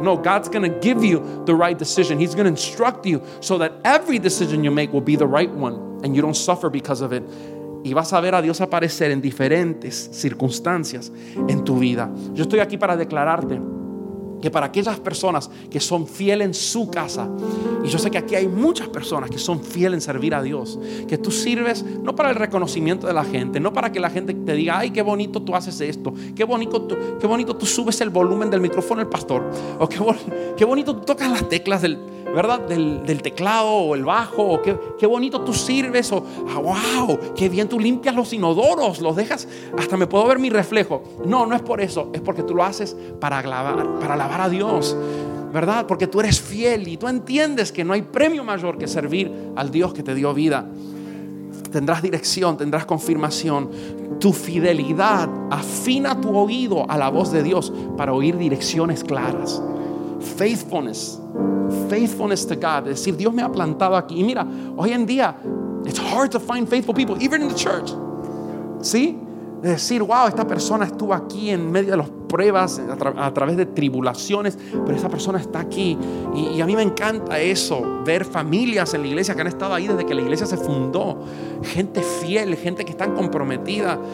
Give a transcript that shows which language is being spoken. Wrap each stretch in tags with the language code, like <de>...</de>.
<en>No, God's going to give you the right decision. He's going to instruct you so that every decision you make will be the right one and you don't suffer because of it.</en> <es>Y vas a ver a Dios aparecer en diferentes circunstancias en tu vida. Yo estoy aquí para declararte que para aquellas personas que son fieles en su casa, y yo sé que aquí hay muchas personas que son fieles en servir a Dios, que tú sirves no para el reconocimiento de la gente, no para que la gente te diga, ay, qué bonito tú haces esto, qué bonito tú subes el volumen del micrófono al pastor, o qué bonito tú tocas las teclas del, ¿verdad? Del teclado o el bajo, o qué bonito tú sirves, o oh, wow, qué bien tú limpias los inodoros, los dejas, hasta me puedo ver mi reflejo. No, no es por eso, es porque tú lo haces para alabar a Dios, ¿verdad? Porque tú eres fiel y tú entiendes que no hay premio mayor que servir al Dios que te dio vida. Tendrás dirección, tendrás confirmación. tu fidelidad, afina tu oído a la voz de Dios para oír direcciones claras.</es> <en>Faithfulness, faithfulness to God,</en> <es>es decir, Dios me ha plantado aquí. Y mira, hoy en día</es> <en>it's hard to find faithful people even in the church.</en> <es>¿Sí? De decir, wow, esta persona estuvo aquí en medio de las pruebas, a través de tribulaciones, pero esa persona está aquí. Y a mí me encanta eso, ver familias en la iglesia que han estado ahí desde que la iglesia se fundó, gente fiel, gente que está comprometida.</es>